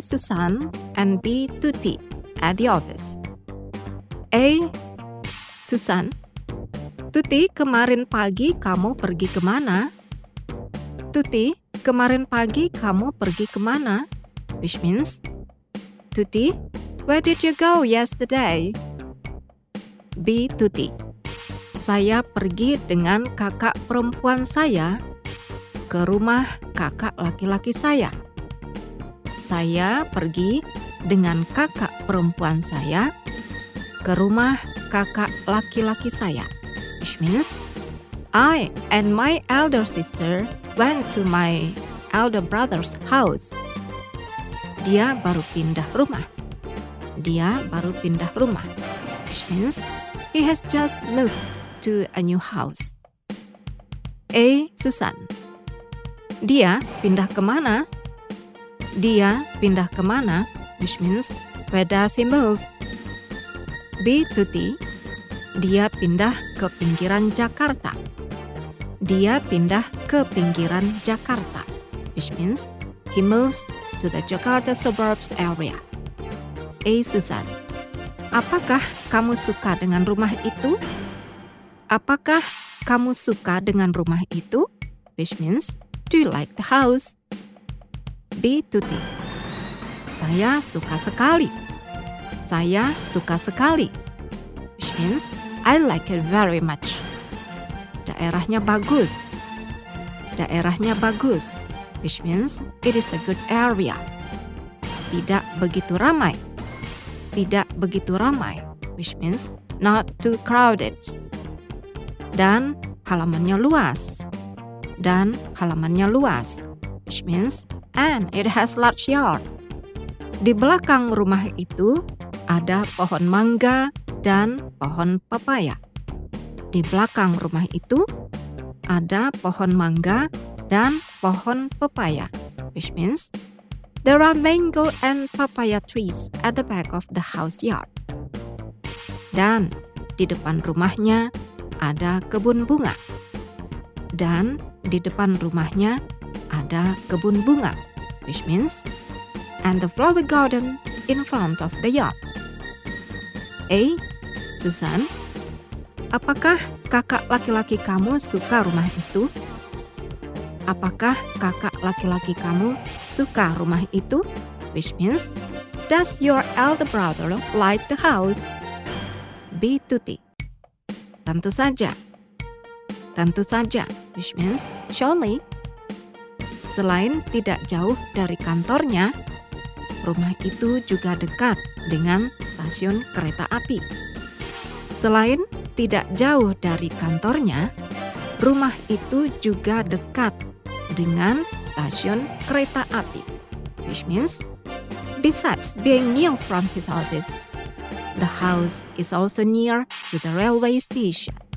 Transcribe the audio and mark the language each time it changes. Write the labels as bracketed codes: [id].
[en] Susan and B. Tuti at the office. A. Susan. [id] Tuti, kemarin pagi kamu pergi kemana? Tuti, kemarin pagi kamu pergi kemana? [en] Which means, Tuti, where did you go yesterday? B. [id] Tuti, saya pergi dengan kakak perempuan saya ke rumah kakak laki-laki saya. Saya pergi dengan kakak perempuan saya ke rumah kakak laki-laki saya. [en] Which means, I and my elder sister went to my elder brother's house. [id] Dia baru pindah rumah. Dia baru pindah rumah. [en] Which means, he has just moved to a new house. A. Susan. [id] Dia pindah ke mana? Dia pindah ke mana? [en] Which means, where does he move? [id] B. Tuti. Dia pindah ke pinggiran Jakarta. Dia pindah ke pinggiran Jakarta. [en] Which means, he moves to the Jakarta suburbs area. A. Susan. [id] Apakah kamu suka dengan rumah itu? Apakah kamu suka dengan rumah itu? [en] Which means, do you like the house? [id] B. Tuti. Saya suka sekali. Saya suka sekali. [en] Which means, I like it very much. [id] Daerahnya bagus. Daerahnya bagus. [en] Which means, it is a good area. [id] Tidak begitu ramai. Tidak begitu ramai. [en] Which means, not too crowded. [id] Dan halamannya luas. Dan halamannya luas. [en] Which means, and it has large yard. [id] Di belakang rumah itu, ada pohon mangga dan pohon pepaya. Di belakang rumah itu, ada pohon mangga dan pohon pepaya. [en] Which means, there are mango and papaya trees at the back of the house yard. [id] Dan di depan rumahnya, ada kebun bunga. Dan di depan rumahnya, ada kebun bunga. [en] Which means, and the flower garden in front of the yard. A. [id] Susan, apakah kakak laki-laki kamu suka rumah itu? Apakah kakak laki-laki kamu suka rumah itu? [en] Which means, does your elder brother like the house? B. [id] Tuti, tentu saja. Tentu saja, [en] which means, surely. [id] Selain tidak jauh dari kantornya, rumah itu juga dekat dengan stasiun kereta api. Selain tidak jauh dari kantornya, rumah itu juga dekat dengan stasiun kereta api. [en] Which means, besides being near from his office, the house is also near to the railway station.